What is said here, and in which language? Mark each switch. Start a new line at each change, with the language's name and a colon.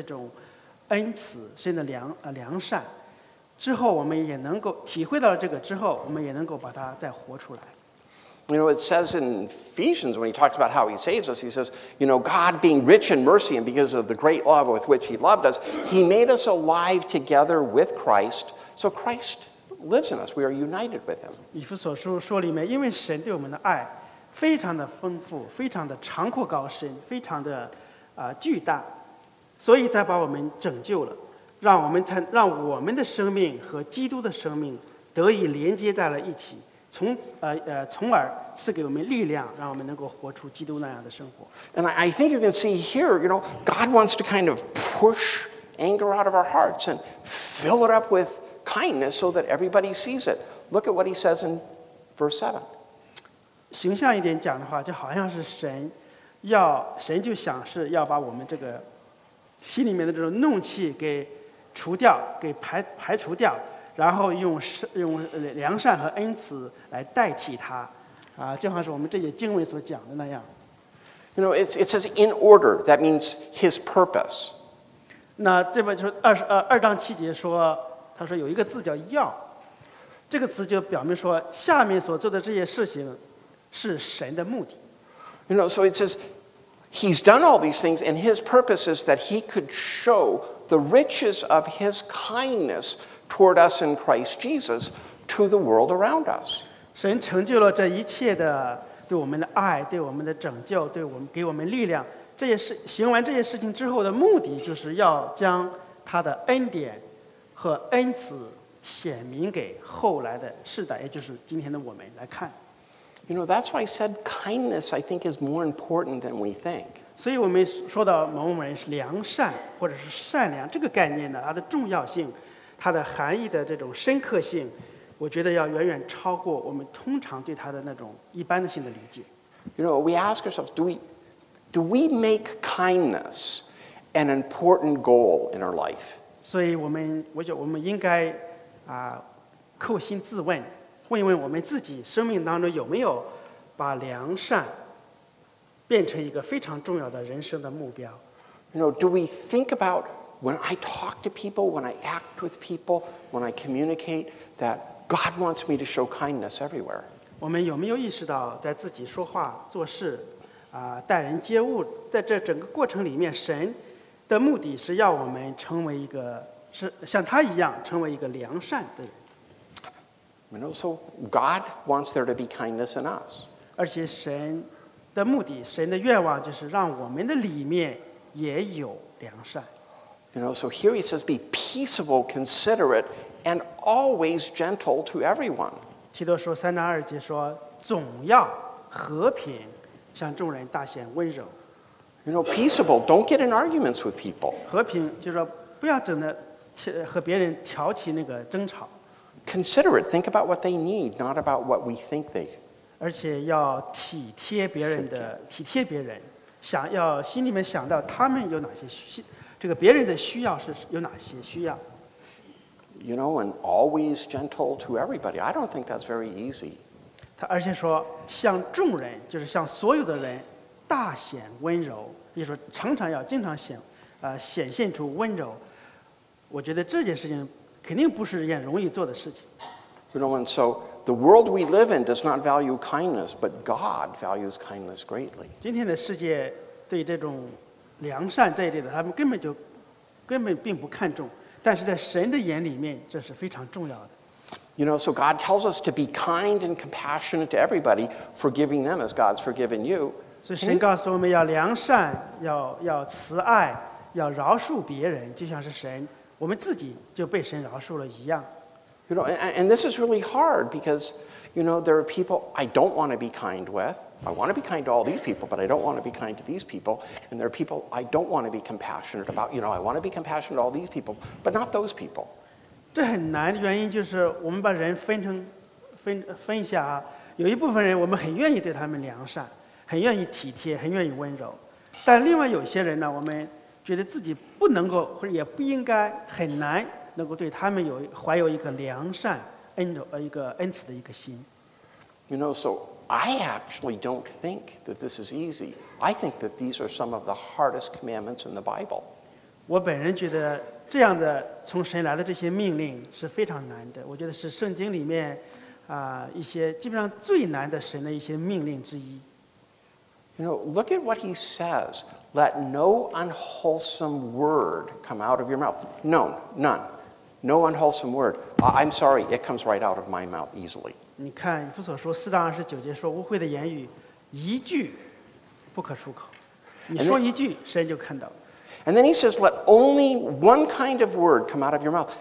Chinese: 那在圣经里面我们也知道，在基督里面，我们就能够亲身体会到神的这种爱和神的这种恩慈，神的良善。之后我们也能够体会到这个之后, 我们也能够把它再活出来。
English: You know, it says in Ephesians, when he talks about how he saves us, he says, you know, God being rich in mercy and because of the great love with which he loved us, he made us alive together with Christ. So Christ lives in us. We are united with him.
Chinese: 以弗所书说里面，因为神对我们的爱非常的丰富，非常的长阔高深，非常的巨大，所以才把我们拯救了，让我们的生命和基督的生命得以连接在了一起，从而赐给我们力量，让我们能够活出基督那样的生活。
English: And I think you can see here, you know, God wants to kind of push anger out of our hearts and fill it up with kindness so that everybody sees it. Look at what he says in verse 7.
Chinese: 形象一点讲的话，就好像是神就想是要把我们这个心里面的这种怒气给除掉，给排除掉，然后用良善和恩慈来代替他，就像是我们这些经文所讲的那样。
English: You know, it says in order. That means his purpose.
Chinese: 那这边就二章七节说，他说有一个字叫要，这个词就表明说下面所做的这些事情是神的目的。
English: You know, so it says he's done all these things, and his purpose is that he could show the riches of his kindness toward us in Christ Jesus to the world around us.
Chinese: 神成就了这一切的对我们的爱，对我们的拯救，对我们给我们力量。这些事行完这些事情之后的目的，就是要将他的恩典和恩慈显明给后来的世代，也就是今天的我们来看。
English: You know, that's why I said kindness, I think, is more important than we think.
Chinese: 所以我们说到某某人良善或者是善良这个概念呢，它的重要性，它的含义的这种深刻性，我觉得要远远超过我们通常对它的那种一般性的理解。
English: You know, we ask ourselves, do we make kindness an important goal in our life?
Chinese: 所以我觉得我们应该扣心自问，问一问我们自己生命当中有没有把良善变成一个非常重要的人生的目标。
English: You know, do we think about when I talk to people, when I act with people, when I communicate, that God wants me to show kindness everywhere?
Chinese: 我们有没有意识到在自己说话做事待人接物，在这整个过程里面，神的目的是要我们成为一个，是像他一样成为一个良善的人。
English: You know, so God wants there to be kindness in us.
Chinese: 而且神的目的，神的愿望就是让我们的里面也有良善。
English: You know, so here he says, be peaceable, considerate, and always gentle to everyone.
Chinese: 提多书三章二节说，总要和平，向众人大显温柔。
English: You know, peaceable, don't get in arguments with people.
Chinese: 和平就是说不要整的和别人挑起那个争吵。
English: Considerate, think about what they need, not about what we think they.
Chinese: 而且要体贴别人的，体贴别人，想要心里面想到他们有哪些需，这个别人的需要是有哪些需要。
English: You know, and always gentle to everybody. I don't think that's very easy.
Chinese: 他而且说向众人，就是向所有的人，大显温柔，也说常常要经常显现出温柔。我觉得这件事情肯定不是件容易做的事情。
English: You know, and so the world we live in does not value kindness, but God values kindness greatly.
Chinese: 今天的世界对这种良善这一类的，他们根本并不看重，但是在神的眼里面，这是非常重要的。
English: You know, so God tells us to be kind and compassionate to everybody, forgiving them as God's forgiven you.
Chinese: 所以神告诉我们要良善，要慈爱，要饶恕别人，就像是神。我们自己就被神饶恕了一样。
English: You know, and this is really hard because, you know, there are people I don't want to be kind with. I want to be kind to all these people, but I don't want to be kind to these people. And there are people I don't want to be compassionate about. You know, I want to be compassionate to all these people, but not those people.
Chinese: 这很难，原因就是我们把人分一下啊。有一部分人我们很愿意对他们良善，很愿意体贴，很愿意温柔。但另外有些人呢，我们觉得自己不能够，或者也不应该，很难能够对他们怀有一个良善、一个恩慈的一个心。
English: You know, so I actually don't think that this is easy. I think that these are some of the hardest commandments in the Bible.
Chinese: 我本人觉得这样的从神来的这些命令是非常难的。我觉得是圣经里面一些基本上最难的神的一些命令之一。
English: You know, look at what he says. Let no unwholesome word come out of your mouth. No, none. No unwholesome word. I'm sorry, it comes right out of my mouth easily.
Chinese: 你看以弗所书四章二十九节说，污秽的言语一句不可出口。你说一句，神就看到。
English: And then he says, let only one kind of word come out of your mouth.